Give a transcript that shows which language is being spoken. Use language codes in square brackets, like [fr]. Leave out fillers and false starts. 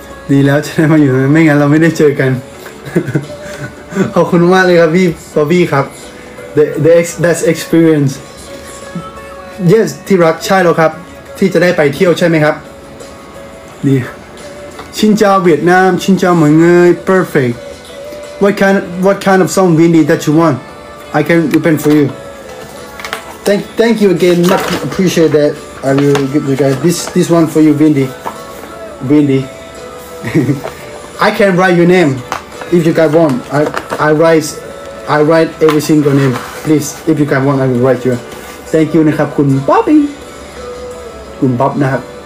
[th] ดีแล้วจะได้มาอยู่ไม่งั้นเราไม่ได้เจอกันขอบคุณมากเลยครับพี่ป๊อปปี้ครับ [en] That's experience. [th] Yes, ที่รักใช่แล้วครับที่จะได้ไปเที่ยวใช่ไหมครับ ดี ชินเจ้าเวียดนามชินเจ้าเหมือนเงย perfect. [en] What kind of song, Windy, that you want? I can open for you. Thank you again. Much appreciate that. I will give you guys this one for you, Windy. I can write your name if you guys want. I write every single name. Please, if you guys want, I will write you. Thank you, [th] นะครับคุณป๊อปปี้คุณป๊อปนะครับ